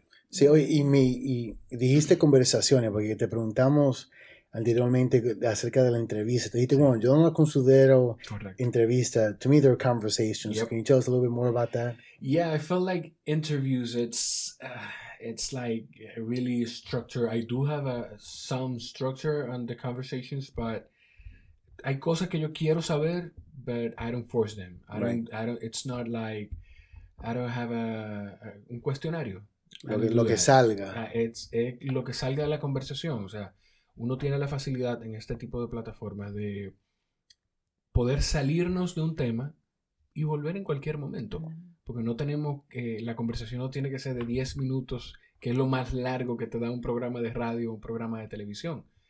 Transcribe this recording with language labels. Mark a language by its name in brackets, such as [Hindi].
[Spanish] Sí, oye, y dijiste conversaciones, porque te preguntamos anteriormente acerca de la entrevista. Te dijiste, bueno, yo no la considero entrevista. [English] To me, they're conversations. Yep. Can you tell us a little bit more about that? Yeah, I felt like interviews, it's like really structured. I do have some structure on the conversations, but [Spanish] hay cosas que yo quiero saber, [English] but I don't force them. It's not like I don't have [Spanish] un cuestionario. Lo que salga. Lo que salga de la conversación. O sea, uno tiene la facilidad en este tipo de plataformas de poder salirnos de un tema y volver en cualquier momento. Porque no tenemos que, la conversación no tiene que ser de 10 minutos, que es lo más largo que te da un programa de radio o un programa de televisión.